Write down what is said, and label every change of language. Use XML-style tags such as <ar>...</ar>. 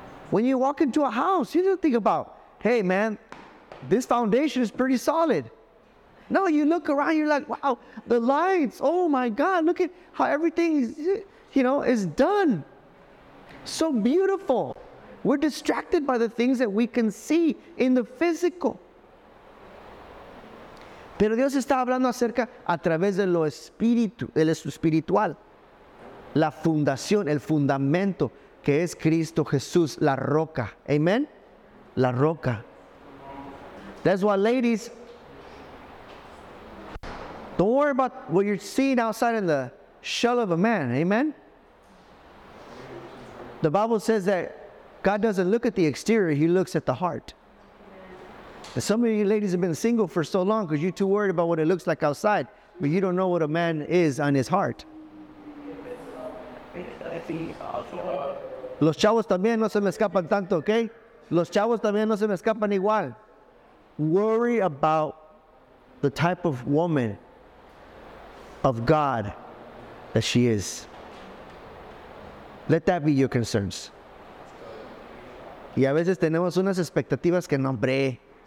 <en>When you walk into a house, you don't think about, hey, man, this foundation is pretty solid. No, you look around, you're like, wow, the lights. Oh, my God, look at how everything is, you know, is done. So beautiful. We're distracted by the things that we can see in the physical.</en> <es>Pero Dios está hablando acerca a través de lo espiritual. La fundación, el fundamento, que es Cristo Jesús, la roca. Amen? La roca.</es> <en>That's why, ladies, don't worry about what you're seeing outside in the shell of a man. Amen? The Bible says that God doesn't look at the exterior, he looks at the heart. And some of you ladies have been single for so long because you're too worried about what it looks like outside, but you don't know what a man is on his heart.</en> <es>Los chavos también no se me escapan tanto, okay? Los chavos también no se me escapan igual.</es> <en>Worry about the type of woman of God that she is. Let that be your concerns.</en> <es>Y a veces tenemos unas expectativas que no, hombre.</es>